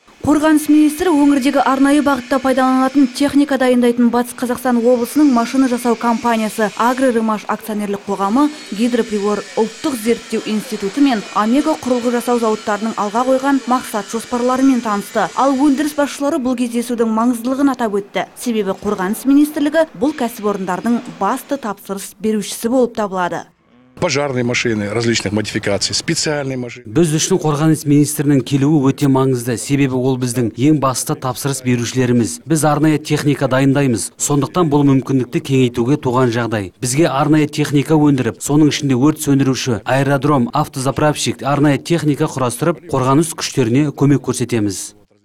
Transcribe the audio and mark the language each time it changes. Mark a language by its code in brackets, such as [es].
[kk] Қорғаныс министрі өңірдегі арнайы бағытта пайдаланылатын техника дайындайтын Батыс Қазақстан облысының машина жасау компаниясы Агрорымаш акционерлік қоғамы, Гидроприбор ұлттық зерттеу институты мен Омега құрылғы жасау зауыттарының алға қойған мақсат жоспарларымен танысты. Ал өндіріс басшылары бұл кездесудің маңыздылығын атап өтті. Себебі қорғаныс министрлігі бұл кәсіпорындардың басты тапсырыс берушісі болып табылады. [ru] пожарные машины различных модификаций, специальные машины. [kk] Біз үшін қорғаныс министрінің келуі өте маңызды. Себебі ол біздің ең басты тапсырыс берушілеріміз. Біз арнайы техника дайындаймыз. Сондықтан бұл мүмкіндікті кеңейтуге туған жағдай. Бізге арнайы техника өндіріп, соның ішінде өрт сөндіруші, аэродром, автозаправщик, арнайы техника құрастырып, қорғаныс күштеріне көмек көрсетеміз.